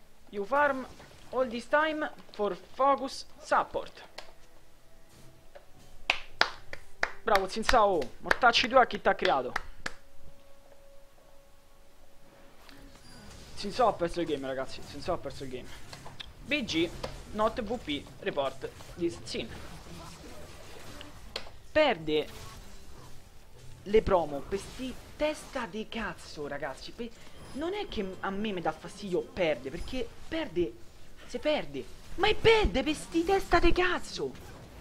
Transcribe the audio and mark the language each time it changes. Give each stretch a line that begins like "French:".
English: You farm all this time for focus support.
Italian: Bravo Zin Sao. Mortacci tu a chi t'ha creato. Zin Sao ha perso il game, ragazzi. Zin Sao ha perso il game.
English: BG, not VP, report this Zin.
Italian: Perde le promo per sti testa di cazzo, ragazzi. Non è che a me mi dà fastidio perde, perché perde se perde. Ma è perde per sti testa di cazzo.